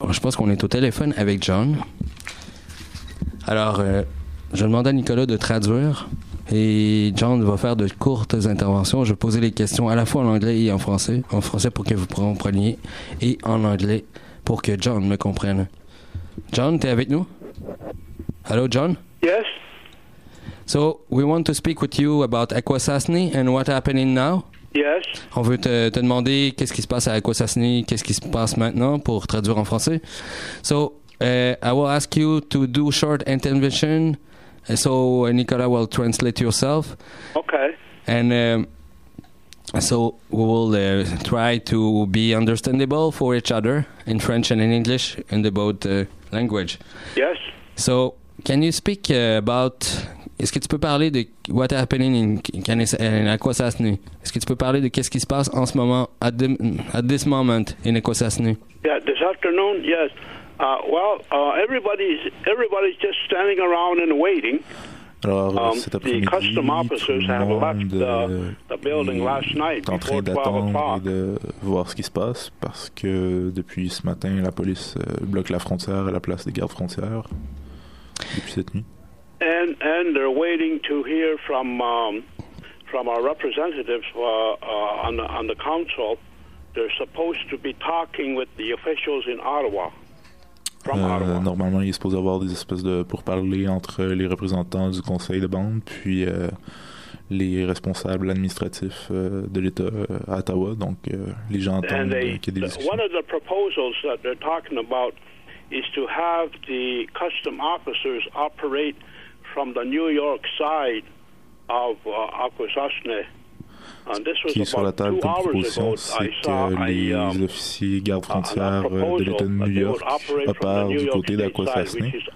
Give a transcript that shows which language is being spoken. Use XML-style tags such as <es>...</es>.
<fr>Alors, je pense qu'on est au téléphone avec John. Alors, je demande à Nicolas de traduire et John va faire de courtes interventions. Je vais poser les questions à la fois en anglais et en français. En français pour que vous compreniez et en anglais pour que John me comprenne. John, t'es avec nous?</fr> <en>Hello,</en> <fr>John?</fr> <en>Yes. So, we want to speak with you about Akwesasne and what's happening now. Yes.</en> <fr>On veut te demander qu'est-ce qui se passe à Akwesasne, qu'est-ce qui se passe maintenant, pour traduire en français.</fr> <en>So, I will ask you to do short intervention, so Nicola will translate yourself. Okay. And so we will try to be understandable for each other in French and in English in the both language. Yes. So, can you speak about...</en> <fr>Est-ce que tu peux parler de</fr> <en>what's happening in Akwesasne?</en> <fr>Est-ce que tu peux parler de qu'est-ce qui se passe en ce moment</fr> <en>at this moment</en> <fr>in Akwesasne?</fr> <en>Yeah, this afternoon, yes. Everybody's just standing around and waiting.</en> <fr>Alors, cet après-midi,</fr> <en>the custom officers</en> <fr>tout le monde</fr> <en>have left the building last night</en> <fr>en train d'attendre et de voir ce qui se passe parce que depuis ce matin, la police bloque la frontière à la place des gardes frontières depuis cette nuit.</fr> <en>And they're waiting to hear from our representatives on the council. They're supposed to be talking with the officials in Ottawa.</en> <fr>Normalement, il est supposé avoir des espèces de pourparlers entre les représentants du conseil de bande puis les responsables administratifs de l'État à Ottawa. Donc, les gens attendent qu'il y ait des discussions.</fr> <en>One of the proposals that they're talking about is to have the custom officers operate from the New York side of Akwesasne.</en> <fr>Qui est sur la table comme proposition, c'est que les officiers gardes frontières de l'État de New York opèrent du côté d'Akwesasne.</fr>